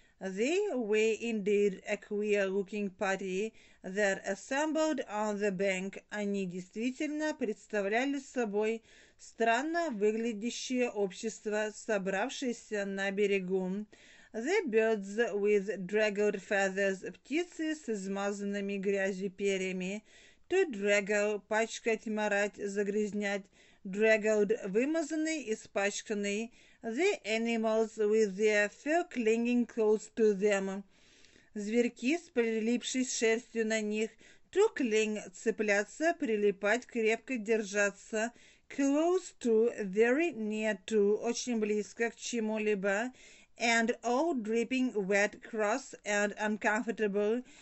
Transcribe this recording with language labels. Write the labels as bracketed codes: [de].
[en] They were indeed a queer-looking party that assembled on the bank. [ru] Они действительно представляли собой странно выглядящее общество, собравшееся на берегу. [en] The birds with draggled feathers, [ru] птицы с измазанными грязью перьями. To draggle, пачкать, марать, загрязнять. Draggled, вымазанный, испачканный. [en] The animals with their fur clinging close to them. [ru] Зверьки, с прилипшей шерстью на них. To cling, цепляться, прилипать, крепко держаться. [en] Close to, very near to, [ru] очень близко к чему-либо. [en] And all dripping wet, cross and uncomfortable.